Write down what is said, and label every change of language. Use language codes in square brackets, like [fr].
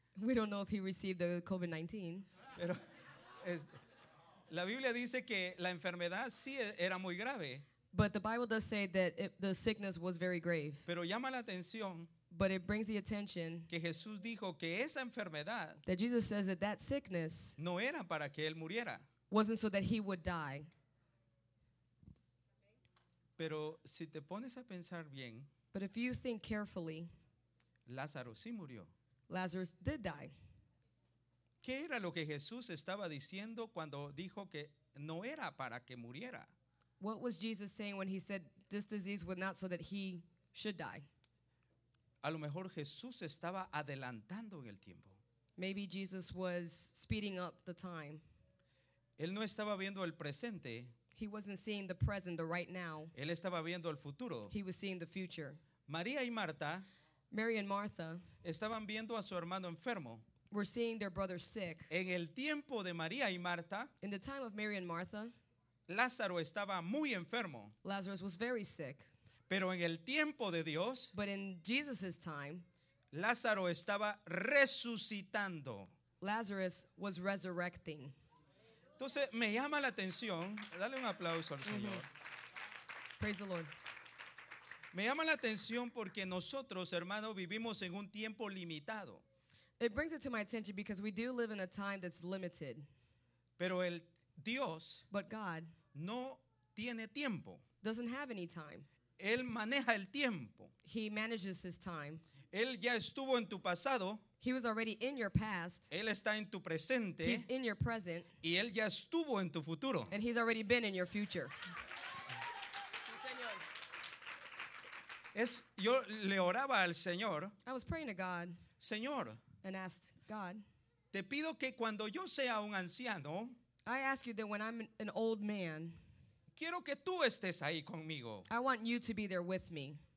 [en] We don't know if he received the COVID-19. [es] Pero es, la Biblia dice que la enfermedad sí era muy grave. [en] But the Bible does say that the sickness was very grave. [es] Pero llama la atención. [en] But it brings the attention [es] que Jesús dijo que esa enfermedad, [en] that Jesus says that that sickness, [es] no era para que él muriera, [en] wasn't so that he would die. [es] Pero si te pones a pensar bien, [en] but if you think carefully, [es] Lázaro sí murió. [en] Lazarus did die. [es] ¿Qué era lo que Jesús estaba diciendo cuando dijo que no era para que muriera? [en] What was Jesus saying when he said this disease was not so that he should die? [es] A lo mejor Jesús estaba adelantando en el tiempo. [en] Maybe Jesus was speeding up the time. [es] Él no estaba viendo el presente. [en] He wasn't seeing the present, the right now. [es] Él estaba viendo el futuro. [en] He was seeing the future. [es] María y Marta, [en] Mary and Martha, [es] estaban viendo a su hermano enfermo. [en] Were seeing their brother sick. [es] En el tiempo de María y Marta, [en] in the time of Mary and Martha, [es] Lázaro estaba muy enfermo. [en] Lazarus was very sick. [es] Pero en el tiempo de Dios, [en] but in Jesus's time, [es] Lázaro estaba resucitando. [en] Lazarus was resurrecting. [es] Entonces me llama la atención, dale un aplauso al Señor. Mm-hmm. [en] Praise the Lord. [es] Me llama la atención porque nosotros, hermanos, vivimos en un tiempo limitado. [en] It brings it to my attention because we do live in a time that's limited. [es] Pero el Dios, [en] but God, [es] no tiene tiempo. [en] Doesn't have any time. [es] Él maneja el tiempo. [en] He manages his time. [es] Él ya estuvo en tu pasado. [en] He was already in your past. [es] Él está en tu presente. [en] He's in your present. [es] Y él ya estuvo en tu futuro. [en] And he's already been in your future. [es] Es, yo le oraba al Señor. [en] I was praying to God. [es] Señor. [en] And asked God. [es] Te pido que cuando yo sea un anciano, [en] I ask you that when I'm an old man, [es] quiero que tú estés ahí conmigo. [en] I want you to be there with me.